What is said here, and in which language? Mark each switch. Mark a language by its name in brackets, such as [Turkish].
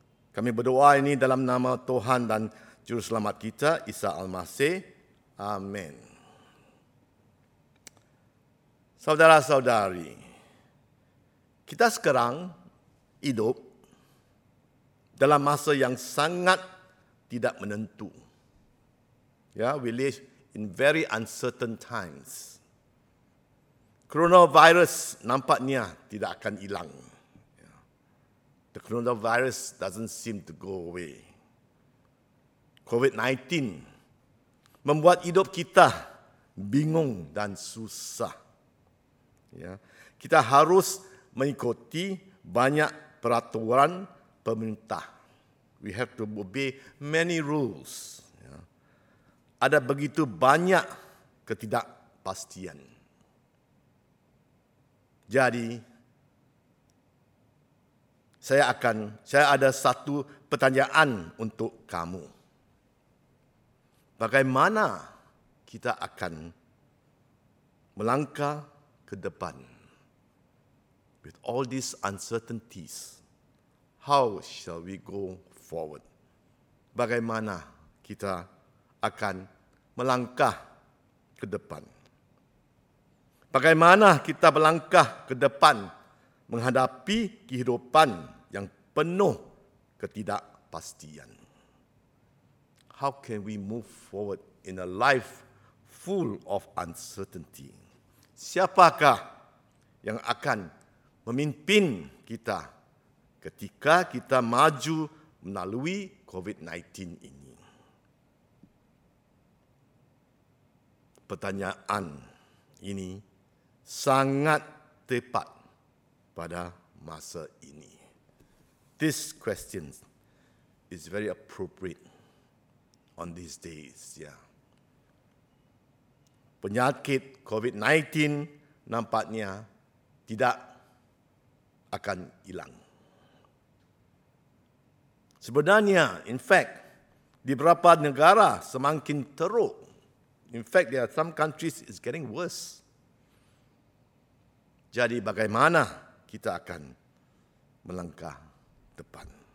[Malay] Kami berdoa ini dalam nama Tuhan dan Juru Selamat kita, Isa Al-Masih. Amin. Saudara-saudari, kita sekarang hidup dalam masa yang sangat tidak menentu. [English] Ya, we live in very uncertain times. [Malay] Coronavirus nampaknya tidak akan hilang. [English] The coronavirus doesn't seem to go away. [Malay] COVID-19 membuat hidup kita bingung dan susah. Ya. Kita harus mengikuti banyak peraturan pemerintah. [English] We have to obey many rules. [Malay] Ya. Ada begitu banyak ketidakpastian. Jadi, saya ada satu pertanyaan untuk kamu. Bagaimana kita akan melangkah ke depan [English] with all these uncertainties? How shall we go forward? [Malay] Bagaimana kita akan melangkah ke depan? Bagaimana kita melangkah ke depan menghadapi kehidupan yang penuh ketidakpastian? [English] How can we move forward in a life full of uncertainty? [Malay] Siapakah yang akan memimpin kita ketika kita maju melalui COVID-19 ini? Pertanyaan ini sangat tepat pada masa ini. [English] This question is very appropriate on these days. Yeah. [Malay] Penyakit COVID-19 nampaknya tidak akan hilang. Sebenarnya, [English] in fact, [Malay] di beberapa negara semakin teruk. [English] In fact, there are some countries is getting worse. [Malay] Jadi bagaimana kita akan melangkah depan?